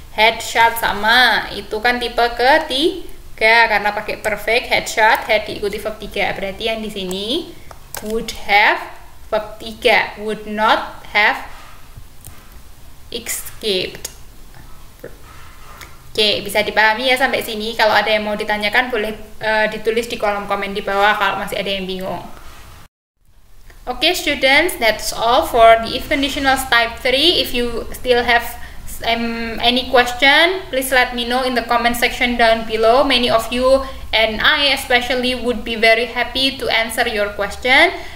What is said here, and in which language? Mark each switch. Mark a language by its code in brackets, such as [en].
[id] Had shut sama, itu kan tipe ketiga karena pakai perfect had shut, had diikuti verb 3. Berarti yang di sini would have verb 3, [en] would not have escaped. [id] Oke, bisa dipahami ya sampai sini. Kalau ada yang mau ditanyakan, boleh ditulis di kolom komen di bawah kalau masih ada yang bingung. [en] Okay, students, that's all for the if conditionals type 3. If you still have any question, please let me know in the comment section down below. Many of you and I especially would be very happy to answer your question.